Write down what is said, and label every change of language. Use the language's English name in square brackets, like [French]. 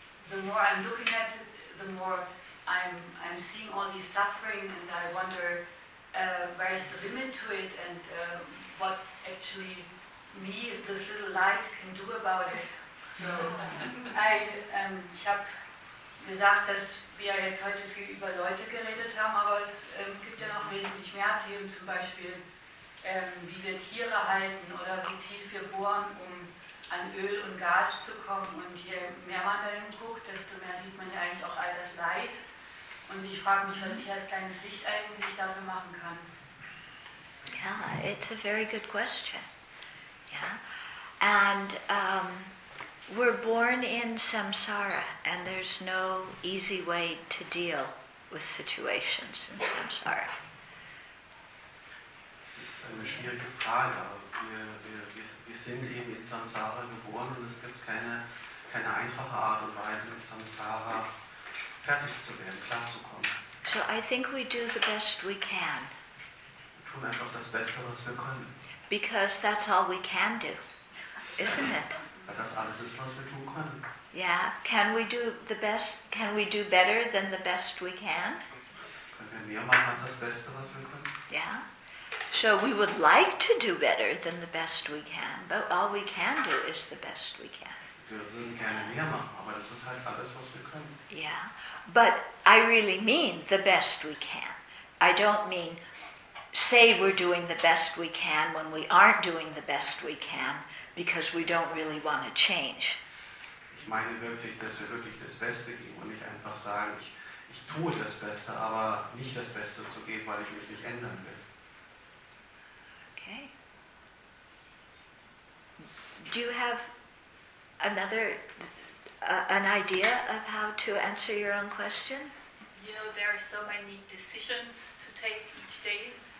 [English] the more I'm looking at it, the more I'm seeing all this suffering, and I wonder where is the limit to it, and what actually me, this little light, can do about it. [German] So ich habe gesagt, dass wir jetzt heute viel über Leute geredet haben, aber es gibt ja noch wesentlich mehr Themen, zum Beispiel wie wir Tiere halten oder wie tief wir bohren, um an Öl und Gas zu kommen. Und je mehr man dahin guckt, desto mehr sieht man ja eigentlich auch all das Leid. Und ich frage mich, was ich als kleines Licht eigentlich dafür machen kann. [English] Ja, it's a very good question. Yeah. And we're born in samsara, and there's no easy way to deal with situations in samsara. [German] Es ist eine schwierige Frage. Wir sind eben in Samsara geboren, und es gibt keine einfache Art und Weise, mit Samsara fertig zu werden, klar zu kommen. [English] So I think we do the best we can. [German] Wir tun einfach das Beste, was wir können. [English] Because that's all we can do, isn't it? [German] Das alles ist, was wir tun können. [English] Yeah, can we do the best? Can we do better than the best we can? [German] Können wir mehr machen als das Beste, was wir können? [English] Yeah. So we would like to do better than the best we can, but all we can do is the best we can. [German] Wir würden gerne mehr machen, aber das ist halt alles, was wir können. [English] Yeah, but I really mean the best we can. I don't mean say we're doing the best we can when we aren't doing the best we can, because we don't really want to change. [German] Ich meine wirklich, dass wir wirklich das Beste geben und nicht einfach sagen, ich tue das Beste, aber nicht das Beste zu geben, weil ich mich nicht ändern will. [English] Okay. Do you have another an idea of how to answer your own question? You know, there are so many decisions to take each day.